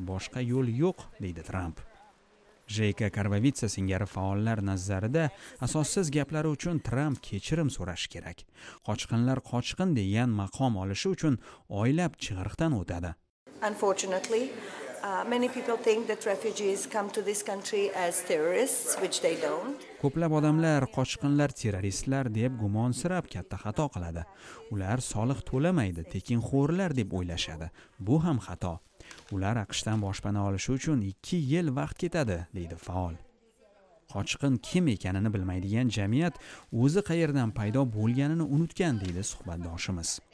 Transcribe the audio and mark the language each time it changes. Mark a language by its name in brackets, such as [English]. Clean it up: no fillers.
[Uzbek] Boshqa yo'l yo'q, deydi Trump. Jeyka Karvavitsa singari faollar nazarida asossiz gaplari uchun Trump kechirim so'rashi kerak. Qochqinlar qochqin degan maqom olishi uchun oylab chig'irdan o'tadi. [English] Unfortunately, many people think that refugees come to this country as terrorists, which they don't. [Uzbek] Ko'plab odamlar qochqinlar terroristlar deb gumonsirab katta xato qiladi. Ular soliq to'lamaydi, tekinxo'rlar deb o'ylashadi. Bu ham xato. Ular AQShdan boshpana olishi uchun 2 yil vaqt ketadi, deydi faol. Qochqin kim ekanini bilmaydigan jamiyat o'zi qayerdan paydo bo'lganini unutgan, deydi suhbatdoshimiz.